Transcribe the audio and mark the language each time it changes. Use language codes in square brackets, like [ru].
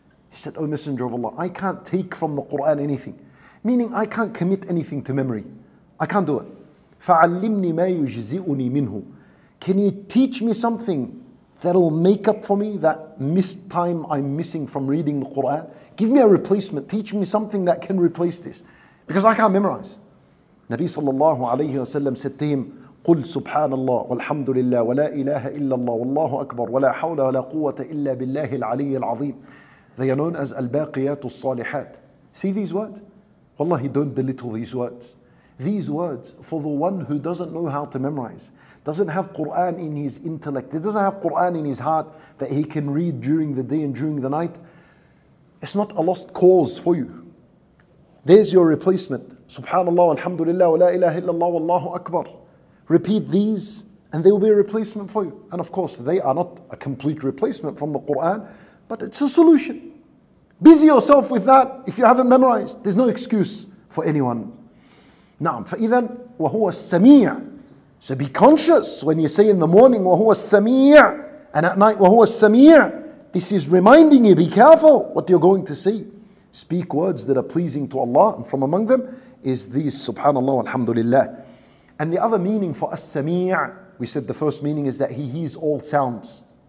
[en] He said, O Messenger of Allah, I can't take from the Qur'an anything. Meaning I can't commit anything to memory. I can't do it. [ar] فَعَلِّمْنِي مَا يُجْزِئُنِي مِنْهُ. [en] Can you teach me something that'll make up for me that missed time I'm missing from reading the Qur'an? Give me a replacement. Teach me something that can replace this. Because I can't memorize. Nabi sallallahu alayhi wa sallam said to him, [ar] قُلْ سُبْحَانَ اللَّهُ وَالْحَمْدُ لِلَّهِ وَلَا إِلَهَ إِلَّا اللَّهُ وَاللَّهُ أَكْبَرُ وَلَا حَوْلَ وَلَا قُوَّةَ إِلَّا بِاللَّهِ الْعَلِيِّ الْعَظِيمِ. [en] They are known as al-baqiyat al-salihat. See these words? Wallahi, don't belittle these words. These words, for the one who doesn't know how to memorize, doesn't have Qur'an in his intellect, he doesn't have Qur'an in his heart that he can read during the day and during the night, it's not a lost cause for you. There's your replacement. Subhanallah, alhamdulillah, wa la ilaha illallah, wallahu akbar. Repeat these and they will be a replacement for you. And of course, they are not a complete replacement from the Qur'an, but it's a solution. Busy yourself with that if you haven't memorized. There's no excuse for anyone. [ar] Naam, فَإِذَنْ وَهُوَ السَّمِيعُ. [en] So be conscious when you say in the morning, [ar] وَهُوَ السَّمِيعُ, [en] and at night, وَهُوَ السَّمِيعُ. This is reminding you, be careful what you're going to say. Speak words that are pleasing to Allah, and from among them is these, subhanallah, alhamdulillah. And the other meaning for السَّمِيعُ, we said the first meaning is that he hears all sounds.